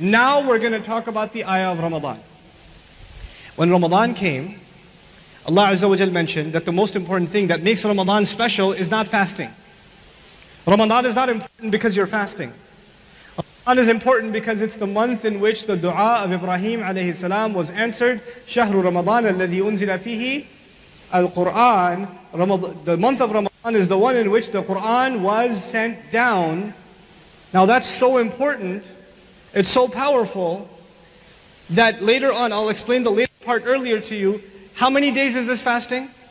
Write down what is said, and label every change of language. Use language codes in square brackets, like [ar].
[en] Now we're going to talk about the ayah of Ramadan. When Ramadan came, Allah Azza wa Jalla mentioned that the most important thing that makes Ramadan special is not fasting. Ramadan is not important because you're fasting. Ramadan is important because it's the month in which the dua of Ibrahim alayhi salam was answered. [ar] شهر رمضان الذي أنزل فيه القرآن. [en] The month of Ramadan is the one in which the Quran was sent down. Now that's so important, it's so powerful, that later on, I'll explain the later part earlier to you. How many days is this fasting?